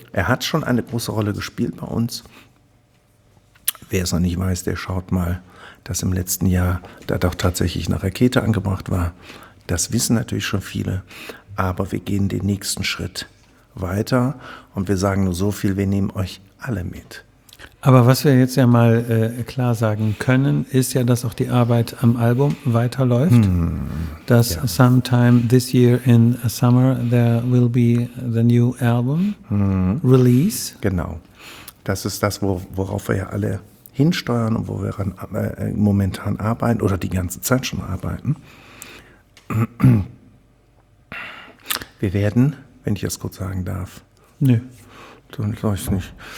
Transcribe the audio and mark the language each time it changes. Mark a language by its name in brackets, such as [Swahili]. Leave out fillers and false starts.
[German] Er hat schon eine große Rolle gespielt bei uns. Wer es noch nicht weiß, der schaut mal, dass im letzten Jahr da doch tatsächlich eine Rakete angebracht war. Das wissen natürlich schon viele. Aber wir gehen den nächsten Schritt weiter und wir sagen nur so viel, wir nehmen euch alle mit. Aber was wir jetzt ja mal klar sagen können, ist ja, dass auch die Arbeit am Album weiterläuft. Dass [English] sometime this year in summer there will be the new album release. [German] Genau. Das ist das, worauf wir ja alle hinsteuern und wo wir momentan arbeiten oder die ganze Zeit schon arbeiten. Wir werden, wenn ich das kurz sagen darf. Nö. Sonst sag ich's nicht.